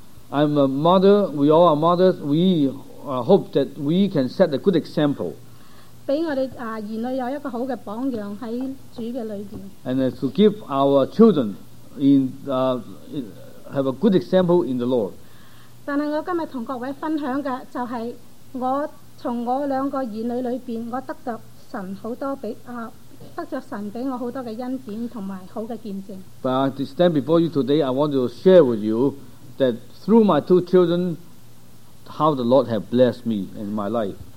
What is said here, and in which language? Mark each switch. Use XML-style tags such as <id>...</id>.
<en>I'm a mother, we all are mothers, we hope that we can set a good example.</en> <zh>给我们儿女有一个好的榜样在主的里面。</zh> <en>And to give our children have a good example in the Lord.</en> <zh>但是我今天跟各位分享的,就是我从我两个儿女里面,我得到神很多比较。</zh> <en>But to stand before you today, I want to share with you that through my two children, how the Lord has blessed me in my life.</en>